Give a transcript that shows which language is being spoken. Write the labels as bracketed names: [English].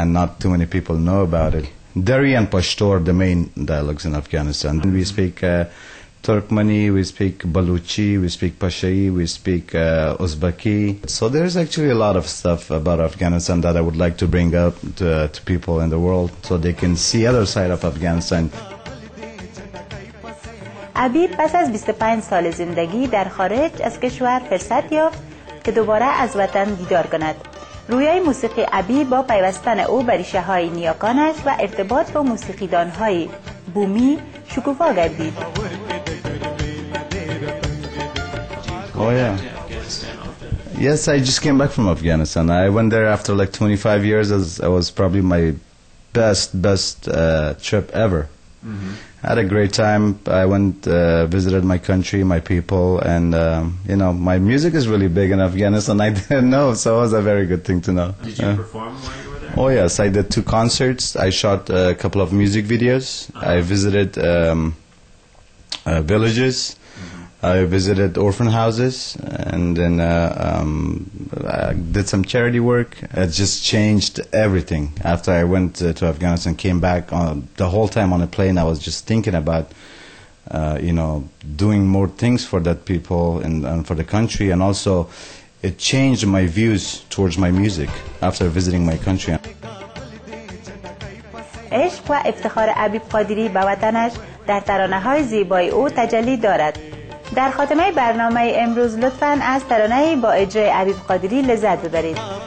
[English] and not too many people know about it. Dari and Pashto are the main dialogues in Afghanistan. Mm-hmm. We speak Turkmeni, we speak Baluchi, we speak Pashai, we speak Uzbeki. So there's actually a lot of stuff about Afghanistan that I would like to bring up to people in the world so they can see other side of Afghanistan. [Persian] عبیر پس از 25 سال زندگی در خارج از کشور فرصت یافت که دوباره از وطن دیدار کند. رویای موسیقی عبیر با پیوستن او به ریشه های نیاکانش و ارتباط با موسیقیدان های بومی شکوفا گردید. [English] Yes, I just came back from Afghanistan. I went there after like 25 years. As it was probably my best trip ever. Mm-hmm. I had a great time. I went visited my country, my people, and you know, my music is really big in Afghanistan. I didn't know, so it was a very good thing to know. Did you perform while you were there? Oh yes, I did 2 concerts. I shot a couple of music videos. Uh-huh. I visited villages. I visited orphan houses, and then I did some charity work. It just changed everything. After I went to Afghanistan, came back, the whole time on the plane, I was just thinking about, you know, doing more things for that people and for the country. And also, it changed my views towards my music after visiting my country. [Persian] عشق و افتخار عبیب قادری به وطنش در ترانه های زیبای او تجلی دارد. در خاتمه برنامه امروز لطفاً از ترانه با اجرای عبیب قادری لذت ببرید.